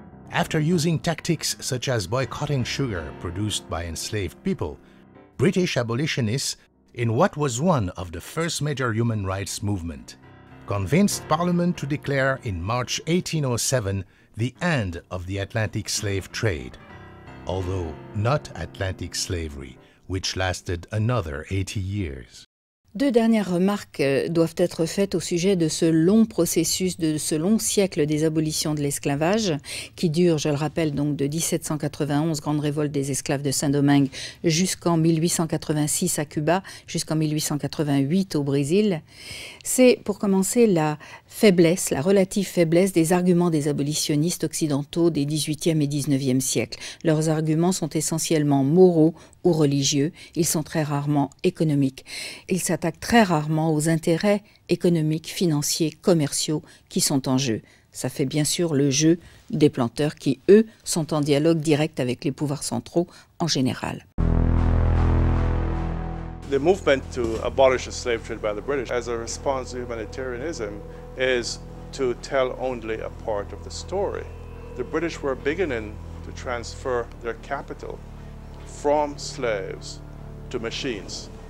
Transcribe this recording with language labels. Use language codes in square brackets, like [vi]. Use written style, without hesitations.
[en] After using tactics such as boycotting sugar produced by enslaved people, British abolitionists, in what was one of the first major human rights movement, convinced Parliament to declare in March 1807 the end of the Atlantic slave trade, although not Atlantic slavery, which lasted another 80 years. [fr] Deux dernières remarques doivent être faites au sujet de ce long processus, de ce long siècle des abolitions de l'esclavage, qui dure, je le rappelle, donc de 1791, grande révolte des esclaves de Saint-Domingue, jusqu'en 1886 à Cuba, jusqu'en 1888 au Brésil. C'est, pour commencer, la faiblesse, la relative faiblesse des arguments des abolitionnistes occidentaux des 18e et 19e siècles. Leurs arguments sont essentiellement moraux ou religieux, ils sont très rarement économiques. Ils s'attaquent très rarement aux intérêts économiques, financiers, commerciaux qui sont en jeu. Ça fait bien sûr le jeu des planteurs qui, eux, sont en dialogue direct avec les pouvoirs centraux en général. [en] The movement to abolish the slave trade by the British as a response to humanitarianism is to tell only a part of the story. The British were beginning to transfer their capital from slaves to machines.